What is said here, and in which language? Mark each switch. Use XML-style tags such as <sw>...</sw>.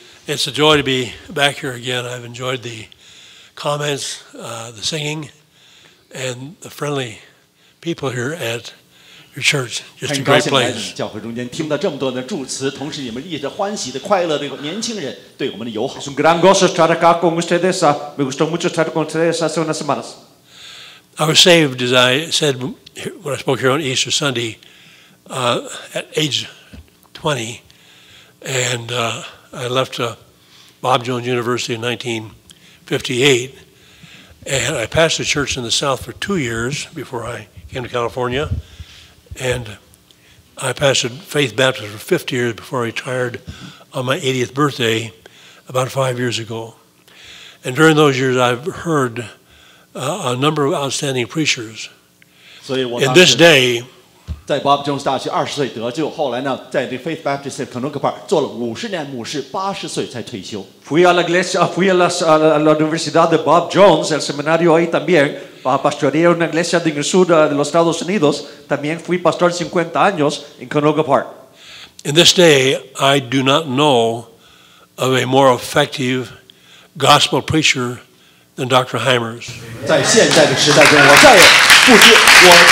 <en>It's a joy to be back here again. I've enjoyed the comments, the singing, and the friendly people here at your church. Just a great place.</en> <zh>很高兴来自教会中间听到这么多的祝词，同时你们一直欢喜的快乐的年轻人对我们的友好。</zh> <es>Es un gran gozo estar acá con ustedes. Me gustó mucho estar con ustedes hace unas semanas.</es> <en>I was saved, as I said when I spoke here on Easter Sunday, at age 20, and I left Bob Jones University in 1958, and I pastored a church in the South for 2 years before I came to California, and I pastored Faith Baptist for 50 years before I retired on my 80th birthday about 5 years ago. And during those years, I've heard a number of outstanding preachers. In this day,</en> <zh>在 Bob Jones 大学20岁得救，后来呢，在 The Faith Baptist Conocapar 做了50年牧师，80岁才退休。</zh> <es>Fui a la iglesia, fui a la universidad de Bob Jones, el seminario ahí también, para pastorear una iglesia del sur de los Estados Unidos. También fui pastor 50 años en Conocapar.</es> <en>In this day, I do not know of a more effective gospel preacher than Dr. Hymers.</en> <zh>在现在的时代中，我再也</zh>